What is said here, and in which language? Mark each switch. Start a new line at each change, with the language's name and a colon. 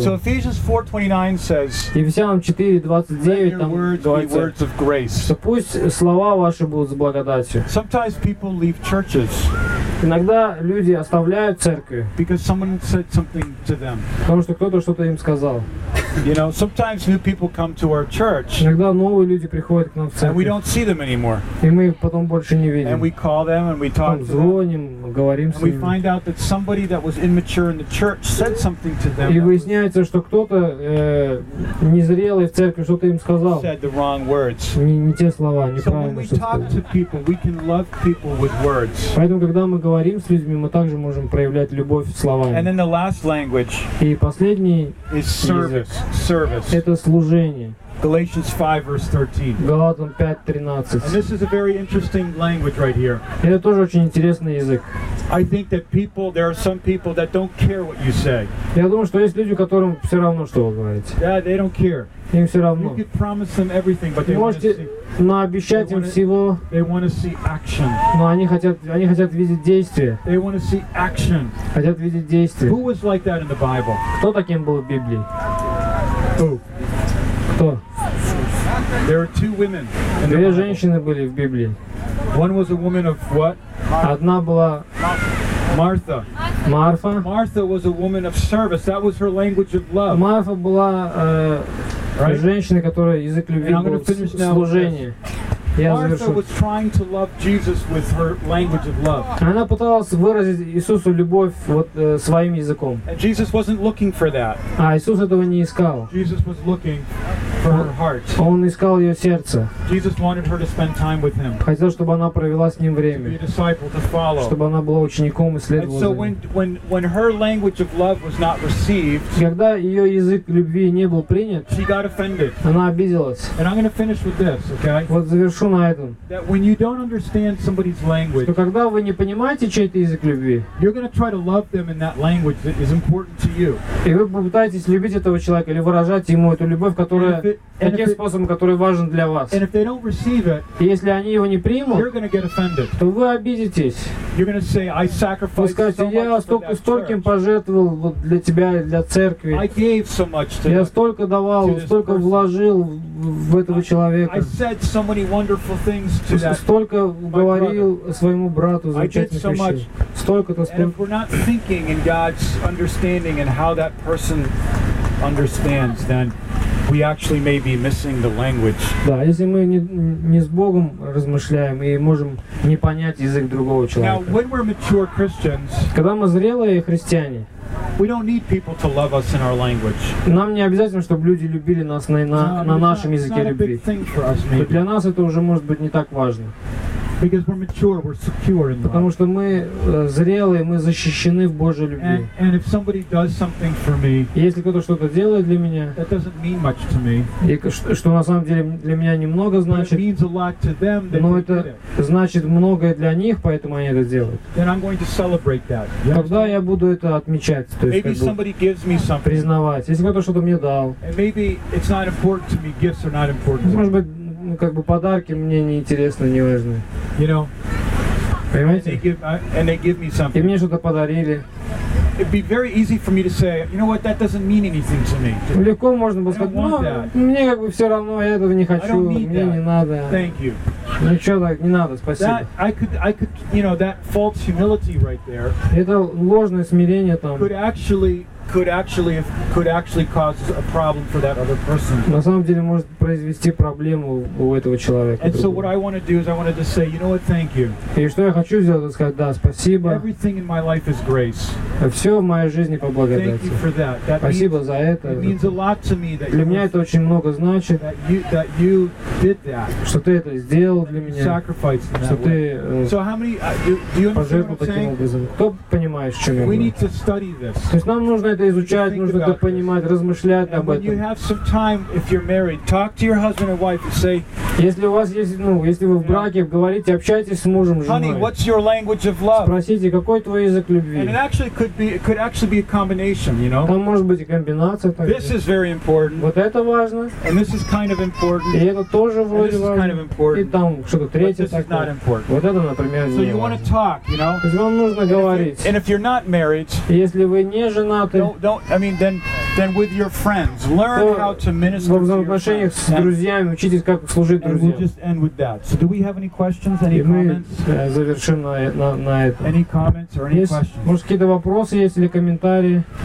English: So Ephesians 4:29 says.
Russian: Ефесянам 4:29 там говорится.
English: Let your words be words of grace.
Russian: Что пусть слова ваши будут с благодатью.
English: Sometimes people leave churches.
Russian: Иногда люди оставляют церкви.
English: Because someone said something to them.
Russian: Потому что кто-то что-то им сказал.
English: You know, sometimes new people come to our church.
Russian: Иногда новые люди приходят к нам в церковь.
English: And we don't see them anymore.
Russian: И мы их потом больше не видим.
English: And we call them and we talk to them.
Russian: Звоним, говорим с ними.
English: We find out that somebody that was immature in the church said something to them.
Russian: И выясняется, что кто-то незрелый в церкви что-то им сказал.
English: Said the wrong words.
Russian: Не те слова, неправильно.
English: So when we talk to people, we can love people with words.
Russian: Поэтому когда мы говорим с людьми, мы также можем проявлять любовь словами.
English: And then the last language.
Russian: И последний
English: is service.
Russian: Это служение.
English: Galatians 5 verse 13.
Russian: Галатам 5:13.
English: And this is a very interesting language right here.
Russian: Это тоже очень интересный язык.
English: I think that people, there are some people that don't care what you say.
Russian: Я думаю, что есть люди, которым все равно, что вы говорите.
English: Yeah, they don't care.
Russian: Им все равно.
English: You could promise them everything, but they want to see.
Russian: Но обещать
English: they
Russian: им всего.
English: They want to see action.
Russian: Но они хотят видеть действие.
English: They want to see action.
Russian: Хотят видеть действие.
English: Who was like that in the Bible?
Russian: Кто таким был в Библии?
English: Who?
Russian: Кто?
English: There are two women.
Russian: Две женщины были в Библии.
English: One was a woman of what?
Russian: Одна была
English: Martha.
Russian: Марфа.
English: Martha was a woman of service. That was her language of love.
Russian: Марфа была женщина, которая язык любви был служение.
English: Martha was trying to love Jesus with her language of love.
Russian: Она пыталась выразить Иисусу любовь вот своим языком.
English: And Jesus wasn't looking for that.
Russian: А Иисус этого не искал.
English: Jesus was looking for her heart.
Russian: Он искал ее сердце.
English: Jesus wanted her to spend time with him.
Russian: Хотел, чтобы она провела с ним время.
English: To be a disciple, to follow.
Russian: Чтобы она была учеником и следовала.
English: And so when her language of love was not received,
Russian: когда ее язык любви не был принят,
English: she got offended.
Russian: Она обиделась.
English: And I'm going to finish with this, okay?
Russian: Вот завершу на этом.
English: That when you don't understand somebody's language,
Russian: что когда вы не понимаете чей-то язык любви,
English: you're going to try to love them in that language that is important to you.
Russian: И вы попытаетесь любить этого человека или выражать ему эту любовь, которая таким способом, который важен для вас.
English: And if they don't receive it,
Russian: и если они его не примут,
English: you're going to get offended.
Russian: То вы обидитесь.
English: You're going to say, I sacrificed.
Russian: Вы скажете, я столько пожертвовал вот для тебя, для церкви.
English: I gave so much to.
Russian: Я столько давал, столько вложил в этого человека.
English: I said so many wonderful things to that.
Russian: Столько говорил своему брату замечательных вещей. Столько.
English: And if we're not thinking in God's understanding and how that person understands, then we actually may be missing the language.
Russian: Да, если мы не с Богом размышляем и можем не понять язык другого человека.
English: Now, when we're mature Christians,
Russian: когда мы зрелые христиане,
English: we don't need people to love us in our language.
Russian: Нам не обязательно, чтобы люди любили нас на нашем языке любви. Для нас это уже может быть не так важно.
English: Because we're mature, we're secure in love.
Russian: Потому что мы зрелые, мы защищены в Божьей любви.
English: And if somebody does something for me,
Russian: если кто-то что-то делает для меня,
English: that doesn't mean much to me.
Russian: И что на самом деле для меня немного значит.
English: But it means a lot to them.
Russian: Но это значит многое для них, поэтому они это делают.
English: Then I'm going to celebrate that.
Russian: Тогда я буду это отмечать, то есть
English: maybe somebody gives me something.
Russian: Признавать. Если кто-то что-то мне дал.
English: And maybe it's not important to me. Gifts are not important.
Russian: Может быть. Ну, как бы подарки мне не интересны, не важны.
English: You know,
Russian: понимаете?
English: And they give me something.
Russian: И мне что-то подарили.
English: It'd be very easy for me to say, you know what, that doesn't mean anything to me.
Russian: Легко можно было сказать, ну, мне как бы все равно, я этого не хочу, мне не надо.
English: Thank you.
Russian: Ну что, так не надо, спасибо.
English: That, I could, you know, that false humility right there.
Russian: Это ложное смирение там.
English: Could actually cause a problem for that other person.
Russian: На самом деле может произвести проблему у этого человека.
English: And so what I want to do is I wanted to say, you know what, thank you.
Russian: И что я хочу сделать, это сказать, да, спасибо.
English: Everything in my life is grace.
Russian: Все в моей жизни по благодати.
English: Thank you for that. That
Russian: спасибо
English: means,
Russian: за это.
English: It means a lot to me that
Russian: для меня это очень много значит.
English: That you did that.
Russian: Что ты это сделал для меня.
English: Sacrificed in that way. So how many, do you understand what I'm saying?
Russian: Кто понимает, в чем я говорю?
English: We need to study this.
Russian: То есть нам нужно это изучать, нужно это понимать, размышлять об этом.
English: You have some time, if you're married, talk to your husband and wife and say,
Russian: если у вас есть, ну, если вы в браке, говорите, общайтесь с мужем, с женой.
English: Honey, what's your language of love?
Russian: Спросите, какой твой язык любви?
English: And it could actually be a combination, you know?
Russian: Там может быть и комбинация.
English: This is very important.
Russian: Вот это важно.
English: And this is kind of important.
Russian: И это тоже вроде важно.
English: This is kind of important.
Russian: И там что-то третье такое.
English: But this is not important.
Russian: Вот это, например,
English: so you want to talk, you know?
Russian: То есть вам нужно говорить.
English: And if you're not married,
Russian: если вы не женаты,
English: Then with your friends, learn how to minister to your friends.
Russian: С друзьями, учитесь, как служить друзьям.
English: And we'll just end with that. So do we have any questions, any comments?
Russian: Завершим на этом.
English: Any comments or any questions?
Russian: Может, какие-то вопросы есть или комментарии?